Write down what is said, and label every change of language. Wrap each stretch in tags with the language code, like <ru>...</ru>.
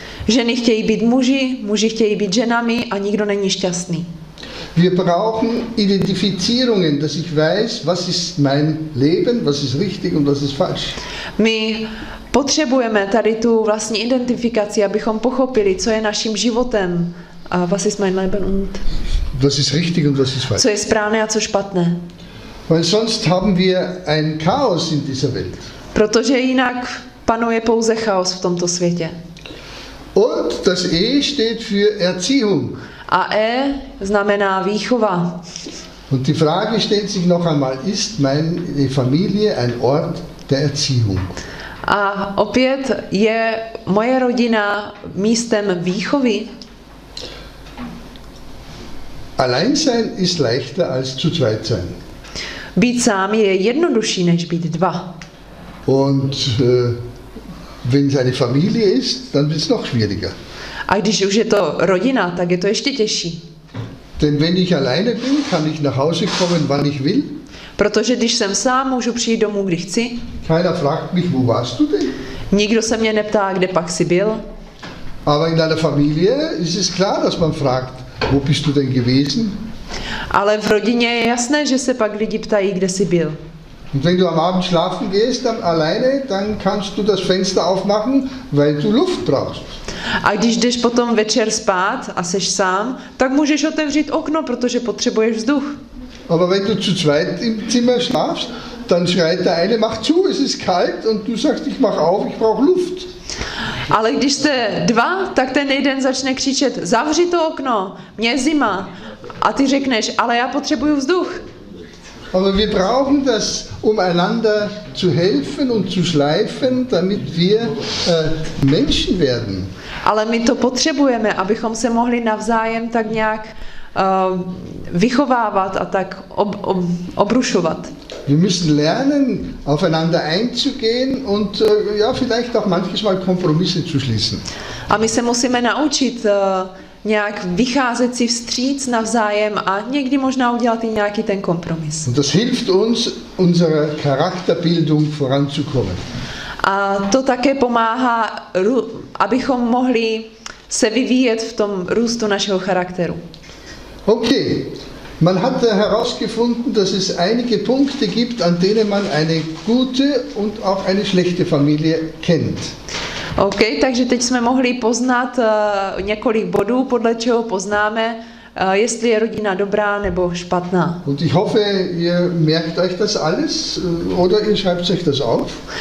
<cs>Ženy chtějí být muži, muži chtějí být ženami a nikdo není šťastný.</cs> <de>Wir brauchen Identifizierungen, dass ich weiß, was ist mein Leben, was ist richtig und was ist falsch.</de> <cs>My potřebujeme tady tu vlastní identifikaci, abychom pochopili, co je naším životem, a</cs> <de>was ist mein Leben und was ist richtig und was ist falsch.</de> <cs>Co je správné a co špatné.</cs> <de>Weil sonst haben wir ein Chaos in dieser Welt.</de> <cs>Protože jinak panuje pouze chaos v tomto světě.</cs> <de>Und das E steht für Erziehung.</de> <cs>A E znamená výchova.</cs> <de>Und die Frage stellt sich noch einmal, ist meine Familie ein Ort der Erziehung?</de> <cs>A opět je moje rodina místem výchovy?</cs> <de>Allein sein ist leichter als zu zweit sein.</de> <cs>Být sám je jednodušší než být dva.</cs> <de>Und wenn es eine Familie ist, dann wird es noch schwieriger.</de> <cs>A když už je to rodina, tak je to ještě těžší.</cs> <de>Denn wenn ich alleine bin, kann ich nach Hause kommen, wann ich will.</de> <cs>Protože když jsem sám, můžu přijít domů, kdy chci.</cs> <de>Keiner fragt mich, wo warst du denn?</de> <cs>Nikdo se mě neptá, kde pak jsi byl.</cs> <de>Aber in deiner Familie ist es klar, dass man fragt, wo bist du denn gewesen?</de> <cs>Ale v rodině je jasné, že se pak lidi ptají, kde jsi byl.</cs> <de>Und wenn du am Abend schlafen gehst, dann alleine, dann kannst du das Fenster aufmachen, weil du Luft brauchst.</de> <cs>A když jdeš potom večer spát a seš sám, tak můžeš otevřít okno, protože potřebuješ vzduch.</cs> <de>Aber wenn du zu zweit im Zimmer schlafst, dann schreit der eine, mach zu, es ist kalt, und du sagst, ich mach auf, ich brauche Luft.</de> <cs>Ale když jste dva, tak ten jeden začne křičet, zavři to okno, mě je zima. A ty řekneš, ale já potřebuju vzduch.</cs> <de>Aber wir brauchen das, um einander zu helfen und zu schleifen, damit wir Menschen werden.</de> <cs>Ale my to potřebujeme, abychom se mohli navzájem tak nějak vychovávat a tak obrušovat.</cs> <de>wir müssen lernen, aufeinander einzugehen und ja, vielleicht auch manches Mal Kompromisse zu schließen.</de> <cs>A my se musíme naučit nějak vycházet si vstříc navzájem a někdy možná udělat i nějaký ten kompromis.</cs> <de>Und das hilft uns, unsere Charakterbildung voranzukommen.</de> <cs>A to také pomáhá, abychom mohli se vyvíjet v tom růstu našeho charakteru. Okay.</cs> <de>Man hat herausgefunden, dass es einige Punkte gibt, an denen man eine gute und auch eine schlechte Familie kennt.</de> <cs>Okay, takže teď jsme mohli poznat několik bodů, podle čeho poznáme, jestli je rodina dobrá nebo špatná.</cs> <de>Und ich hoffe, ihr merkt euch das alles oder ihr schreibt euch das auf.</de>